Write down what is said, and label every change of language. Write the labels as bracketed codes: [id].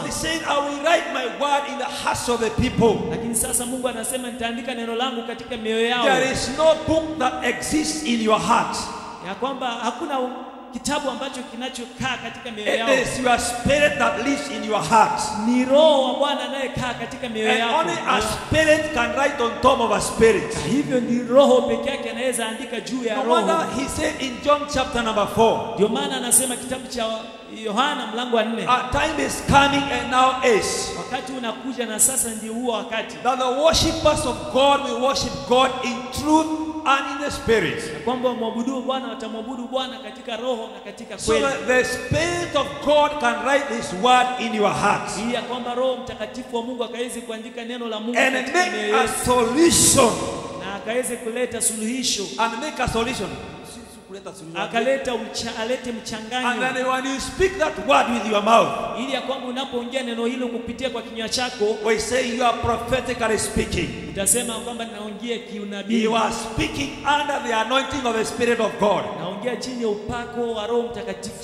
[en] but he said I will write my word in the hearts of the people [sw] lakini sasa Mungu anasema nitaandika neno langu katika mioyo yao [en] there is no book that exists in your heart [sw] ya kwamba hakuna kitabu ambacho kinachokaa katika mioyo yao [en] it is your spirit that lives in your heart [sw] ni roho wa Bwana anayekaa katika mioyo yao [en] only a spirit can write on top of a spirit [sw] hivyo ni roho pekee yake anaweza andika juu ya roho [en] no he said in John chapter number 4 [sw] ndio maana anasema kitabu cha Yohana mlango wa 4 [en] A time is coming and now is [sw] wakati unakuja na sasa ndio huo wakati [en] that the worshipers of God will worship God in truth and in the spirit [sw] kwamba muabudu Bwana watamwabudu Bwana katika roho na katika kweli [en] so the spirit of God can write his word in your heart [sw] ya kwamba roho mtakatifu wa Mungu akaweza kuandika neno la Mungu [en] and make a solution [sw] na akaweza kuleta suluhisho [en] and make a solution [sw] kuleta akaleta mcha, alete mchanganyo. [en] And then when you speak that word with your mouth, [sw] ili ya kwangu unapoongea neno hilo kupitia kwa kinywa chako, [en] we say you are prophetically speaking. [sw] Utasema kwamba naongea kiunabii. [en] You are speaking under the anointing of the Spirit of God. [sw] Naongea chini ya upako wa Roho Mtakatifu.